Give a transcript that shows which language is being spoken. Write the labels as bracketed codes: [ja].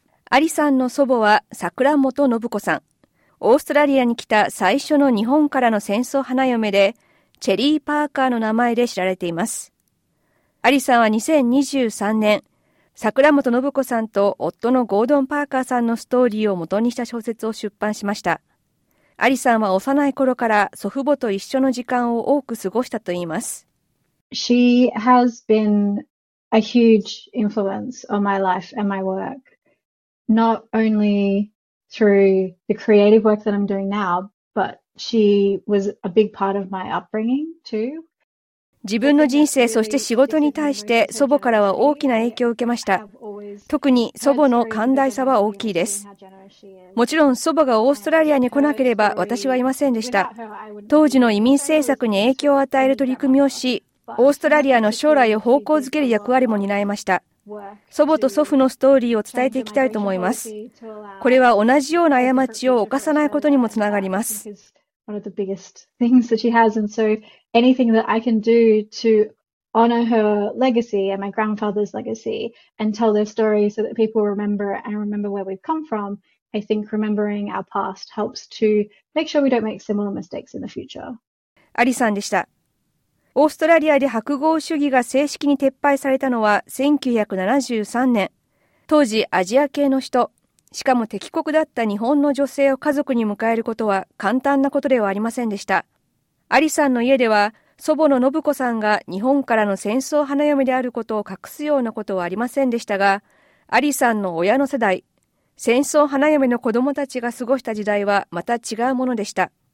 [ja] アリさんの祖母は桜本信子さん、オーストラリアに来た最初の日本からの戦争花嫁で、チェリー・パーカーの名前で知られています。アリさんは2023年、桜本信子さんと夫のゴードン・パーカーさんのストーリーを元にした小説を出版しました。アリさんは幼い頃から祖父母と一緒の時間を多く過ごしたといいます。 [en] She has been a huge influence on my life and my work, not only through the creative work that I'm doing now, but she was a big part of my upbringing too. [ja] 自分の人生、そして仕事に対して祖母からは大きな影響を受けました。特に祖母の寛大さは大きいです。もちろん祖母がオーストラリアに来なければ私はいませんでした。当時の移民政策に影響を与える取り組みをし、オーストラリアの将来を方向づける役割も担いました。祖母と祖父のストーリーを伝えていきたいと思います。これは同じような過ちを犯さないことにもつながります。 [en] One of the biggest things that she has, and so anything that I can do to honor her legacy and my grandfather's legacy and tell their story so that people remember and remember where we've come from, I think remembering our past helps to make sure we don't make similar mistakes in the future. [ja] アリさんでした。オーストラリアで白豪主義が正式に撤廃されたのは1973年。当時アジア系の人、しかも敵国だった日本の女性を家族に迎えることは簡単なことではありませんでした。アリさんの家では祖母の信子さんが日本からの戦争花嫁であることを隠すようなことはありませんでしたが、アリさんの親の世代、戦争花嫁の子供たちが過ごした時代はまた違うものでした。